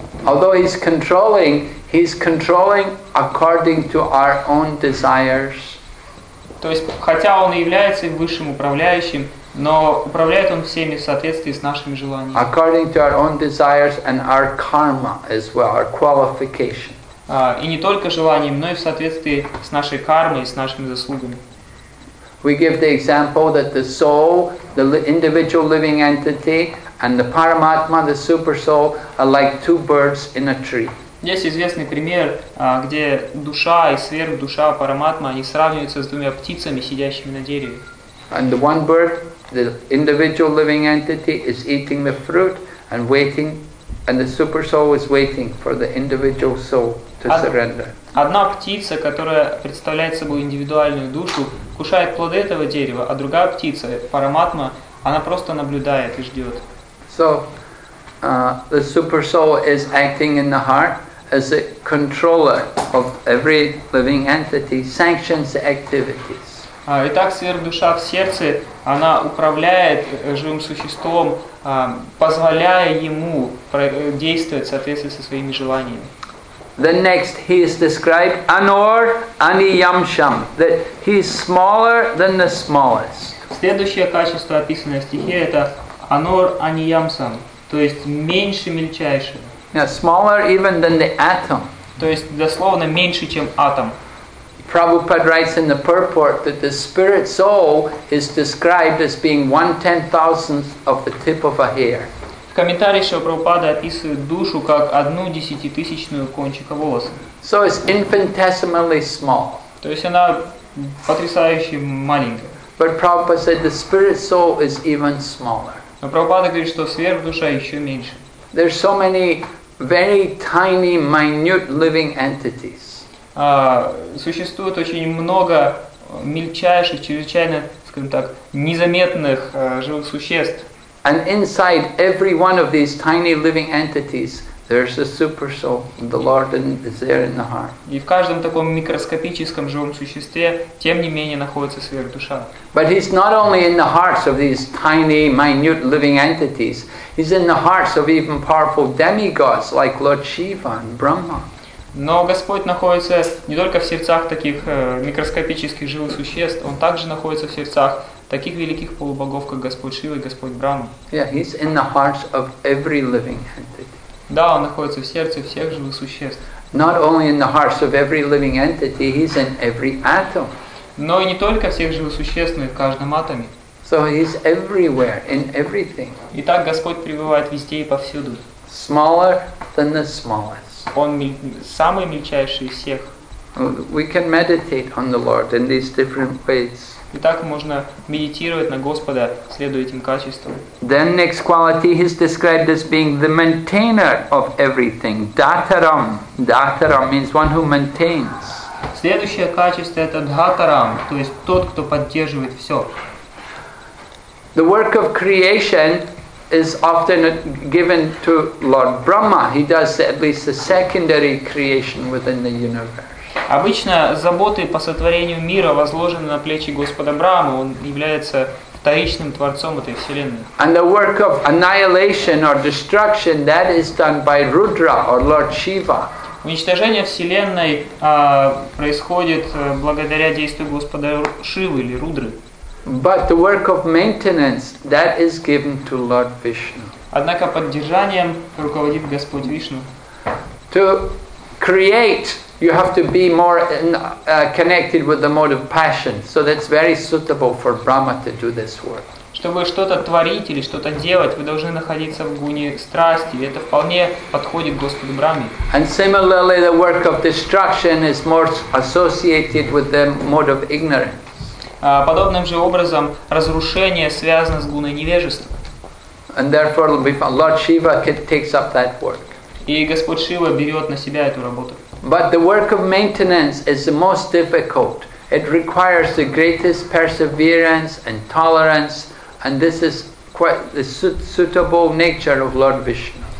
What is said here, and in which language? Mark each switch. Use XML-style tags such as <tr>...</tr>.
<en>Although he's controlling according to our own desires.</en> <ru>То есть, хотя Он и является высшим управляющим, но управляет Он всеми в соответствии с нашими желаниями.</ru> <en>According to our own desires and our karma as well, our qualification.</en> <ru>И не только желанием, но и в соответствии с нашей кармой и с нашими заслугами.</ru> <en>We give the example that the soul, the individual living entity, and the Paramatma, the super soul, are like two birds in a tree.</en> <ru>Есть известный пример, где душа и сверхдуша Параматма, они сравниваются с двумя птицами, сидящими на дереве.</ru> <en>And the one bird, the individual living entity, is eating the fruit and waiting, and the super soul is waiting for the individual soul to surrender.</en> <ru>Одна птица, которая представляет собой индивидуальную душу, кушает плоды этого дерева, а другая птица, Параматма, она просто наблюдает и ждет.</ru> <en>So, the super soul is acting in the heart as a controller of every living entity, sanctions the activities.</en> <ru>Итак, сверхдуша в сердце, она управляет живым существом, позволяя ему действовать в соответствии со своими желаниями.</ru> <en>The next, he is described</en> <sa>Anor Aniyamsham,</sa> <en>that he is smaller than the smallest.</en> <ru>Следующее качество, описанное в стихе, это</ru> <sa>Anor Aniyamsham,</sa> <ru>то есть меньше мельчайшего.</ru> <en>Yeah, smaller even than the atom.</en> <ru>То есть, дословно, меньше, чем атом.</ru> <en>Prabhupada writes in the purport that the spirit soul is described as being 1/10,000th of the tip of a hair.</en> <ru>Комментарий Шрила Прабхупады описывает душу как 1/10,000 кончика волоса.</ru> <en>So it's infinitesimally small.</en> <ru>То есть она потрясающе маленькая.</ru> <en>But Prabhupada said the spirit soul is even smaller.</en> <ru>Но Прабхупада говорит, что сверхдуша еще меньше.</ru> <en>There's so many very tiny, minute living entities.</en> <ru>Существует очень много мельчайших, чрезвычайно, скажем так, незаметных живых существ.</ru> <en>And inside every one of these tiny living entities, there's a super soul. The Lord is there in the heart.</en> <ru>И в каждом таком микроскопическом живом существе, тем не менее, находится сверхдуша.</ru> <en>But he's not only in the hearts of these tiny, minute living entities. He's in the hearts of even powerful demigods like Lord Shiva and Brahma.</en> <ru>Но Господь находится не только в сердцах таких микроскопических живых существ, Он также находится в сердцах таких великих полубогов, как Господь Шива и Господь Брама.</ru> <en>Yeah, He's in the hearts of every living entity.</en> <ru>Да, Он находится в сердце всех живых существ.</ru> <en>Not only in the hearts of every living entity, He's in every atom.</en> <ru>Но и не только всех живых существ, но и в каждом атоме.</ru> <en>So He's everywhere, in everything.</en> <ru>И так Господь пребывает везде и повсюду.</ru> <en>Smaller than the smallest.</en> <ru>Он самый мельчайший из всех.</ru> <en>We can meditate on the Lord in these different ways.</en> <ru>Итак, можно медитировать на Господа, следуя этим качествам.</ru> <en>Then next quality is described as being the maintainer of everything. Dhataram. Dhataram means one who maintains.</en> <ru>Следующее качество это Dhataram, то есть тот, кто поддерживает все.</ru> <en>The work of creation is often given to Lord Brahma. He does at least the secondary creation within the universe.</en> <ru>Обычно заботы по сотворению мира возложены на плечи Господа Брахмы. Он является вторичным творцом этой вселенной.</ru> <en>And the work of annihilation or destruction that is done by Rudra or Lord Shiva.</en> <ru>Уничтожение вселенной происходит благодаря действию Господа Шивы или Рудры.</ru> <en>But the work of maintenance that is given to Lord Vishnu.</en> <ru>Однако поддержанием руководит Господь Вишну.</ru> <en>To create, you have to be more connected with the mode of passion. So that's very suitable for Brahma to do this work.</en> <ru>Чтобы что-то творить или что-то делать, вы должны находиться в гуне страсти. И это вполне подходит Господу Брахме.</ru> <en>And similarly, the work of destruction is more associated with the mode of ignorance.</en> <ru>Подобным же образом разрушение связано с гуной невежества.</ru> <en>And therefore, Lord Shiva takes up that work.</en> <ru>И Господь Шива берет на себя эту работу.</ru> <en>But the work of maintenance is the most difficult. It requires the greatest perseverance and tolerance, and this is quite the suitable nature of Lord Vishnu.</en>